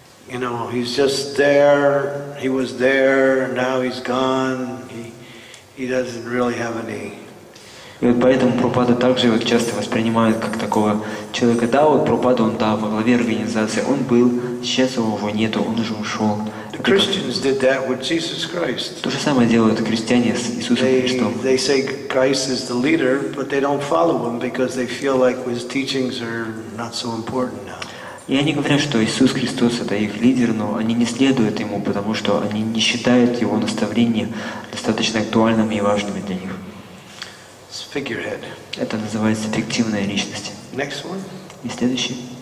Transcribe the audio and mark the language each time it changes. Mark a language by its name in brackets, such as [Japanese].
[English] You know, he's just there, he was there, now he's gone, he doesn't really have any. [Russian] И вот поэтому Прабхупада также вот часто воспринимают как такого человека. Да, вот Прабхупада, он да, во главе организации, он был, сейчас его нету, он уже ушел. [English] The Christians did that with Jesus Christ. [Russian] То же самое делают христиане с Иисусом Христом. [English] They say Christ is the leader, but they don't follow him because they feel like his teachings are not so important now. [Russian] И они говорят, что Иисус Христос – это их лидер, но они не следуют Ему, потому что они не считают Его наставления достаточно актуальным и важным для них. [English] It's figurehead. [Russian] Это называется фиктивная личность. [English] Next one. [Russian] И следующий.